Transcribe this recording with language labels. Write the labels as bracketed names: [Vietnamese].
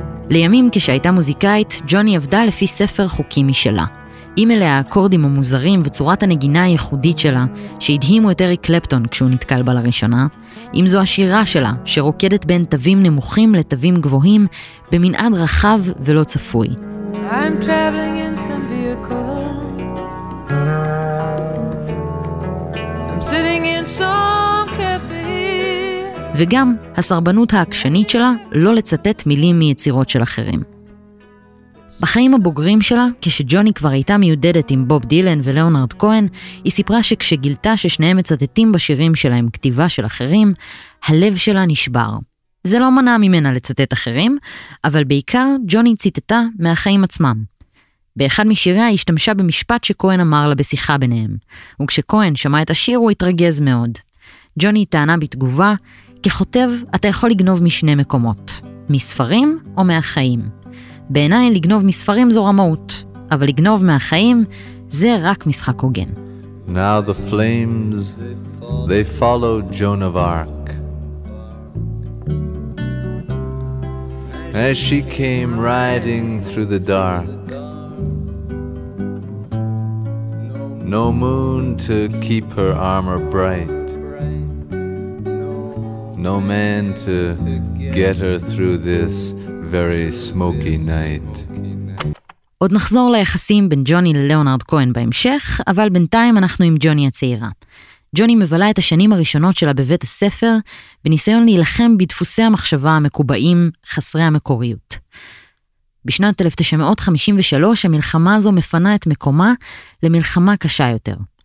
[Hebrew] לימים כשהייתה מוזיקאית, ג'וני עבדה לפי ספר חוקים משלה. עם אליה האקורדים המוזרים וצורת הנגינה הייחודית שלה, שהדהימו את אריק קלפטון כשהוא נתקל בה לראשונה, עם זו השירה שלה, שרוקדת בין תווים נמוכים לתווים גבוהים, במנעד רחב ולא צפוי. [English] I'm traveling in some vehicle. I'm sitting in some cafe. [Hebrew] וגם הסרבנות העקשנית שלה לא לצטט מילים מיצירות של אחרים. בחיים הבוגרים שלה, כשג'וני כבר הייתה מיודדת עם בוב דילן ולאונרד כהן, היא סיפרה שכשגילתה ששניהם מצטטים בשירים שלהם כתיבה של אחרים, הלב שלה נשבר. זה לא מנע ממנה לצטט אחרים, אבל בעיקר ג'וני ציטטה מהחיים עצמם. באחד משיריה היא השתמשה במשפט שכהן אמר לה בשיחה ביניהם, וכשכהן שמע את השיר הוא התרגז מאוד. ג'וני טענה בתגובה, ככותב, אתה יכול לגנוב משני מקומות, מספרים או מהחיים. בעיניי לגנוב מספרים זו רמאות, אבל לגנוב מהחיים זה רק משחק הוגן. [English] Now the flames, they follow Joan of Arc. As she came riding through the dark. No moon to keep her armor bright. No man to get her through this very smoky night. [Hebrew] עוד נחזור ליחסים בין ג'וני ללאונרד כהן בהמשך, אבל בינתיים אנחנו עם ג'וני הצעירה. ג'וני מבלה את השנים הראשונות שלה בבית הספר, בניסיון להילחם בדפוסי המחשבה המקובעים, חסרי המקוריות. בשנת 1953 המלחמה הזו מפנה את מקומה למלחמה קשה יותר.